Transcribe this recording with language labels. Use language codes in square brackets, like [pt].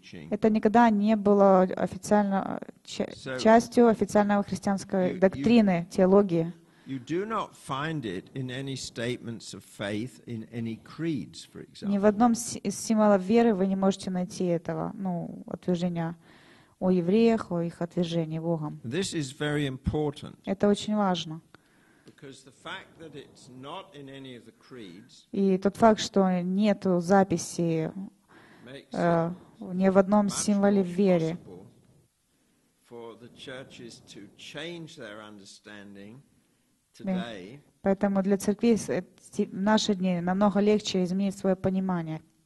[ru] Это никогда не было частью официальной христианской доктрины, теологии. [en] You do not find it in any statements of faith, in any creeds, for example. [ru] Ни в одном из символов веры вы не можете найти этого, ну, утверждения о евреях, о их отвержении Богом. [en] This is very important. [ru] Это очень важно. [en] Because the fact that it's not in any of the creeds. [ru] И тот факт, что нету записи ни в одном символе веры. [en] For the churches to change their understanding. [ru] Поэтому для церкви в наши дни намного легче изменить свое понимание,